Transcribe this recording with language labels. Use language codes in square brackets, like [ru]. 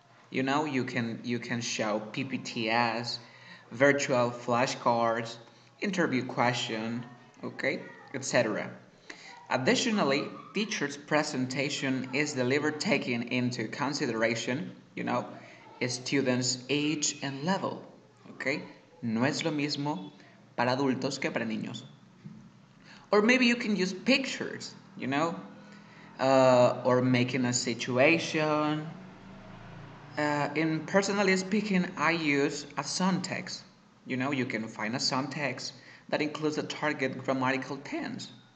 [en] You know, you can show PPTs, virtual flashcards, interview question, okay, etc. Additionally, teacher's presentation is delivered taking into consideration, you know, a student's age and level, okay? [es] No es lo mismo para adultos que para niños. [en] Or maybe you can use pictures, you know, or making a situation. In personally speaking, I use a syntax. You know, you can find a syntax that includes a target grammatical tense.